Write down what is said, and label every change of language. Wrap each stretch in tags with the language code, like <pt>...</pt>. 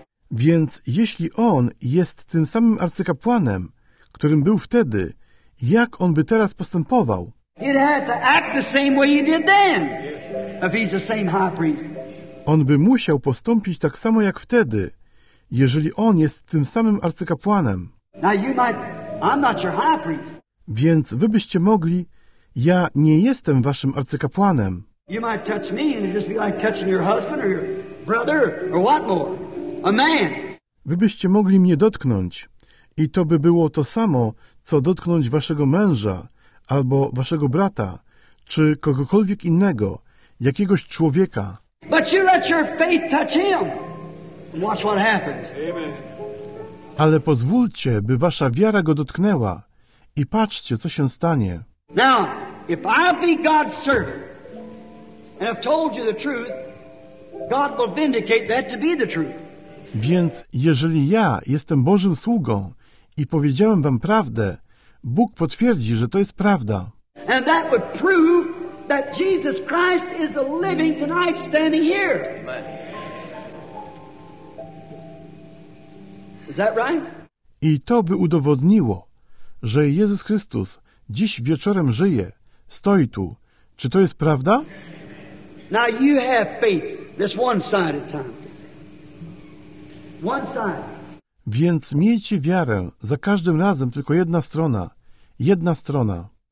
<pl>Więc jeśli on jest tym samym arcykapłanem, którym był wtedy, jak on by teraz postępował?</pl> <en>He'd have to act the same way he did then, if he's the same high priest.</en> <pl>On by musiał postąpić tak samo jak wtedy, jeżeli on jest tym samym arcykapłanem.</pl> <en>Now you might... I'm not your high priest.</en> <pl>Więc wy byście mogli, ja nie jestem waszym arcykapłanem.</pl> <en>You might touch me and it'd just be like touching your husband or your brother or what more? A man.</en> <pl>Wy byście mogli mnie dotknąć i to by było to samo, co dotknąć waszego męża albo waszego brata czy kogokolwiek innego, jakiegoś człowieka.</pl> <en>But you let your faith touch him and watch what happens. Amen.</en> <pl>Ale pozwólcie, by wasza wiara go dotknęła i patrzcie, co się stanie.</pl> <en>Now, if I be God's servant and have told you the truth, God will vindicate that to be the truth.</en> <pl>Więc jeżeli ja jestem Bożym sługą i powiedziałem wam prawdę, Bóg potwierdzi, że to jest prawda.</pl> <en>And that would prove that Jesus Christ is the living tonight standing here. Is that right?</en> <pl>I to by udowodniło, że Jezus Chrystus dziś wieczorem żyje, stoi tu. Czy to jest prawda?</pl> <en>Now you have faith, this one side at a time. One side.</en> <pl>Więc miejcie wiarę za każdym razem tylko jedna strona. Jedna strona.</pl>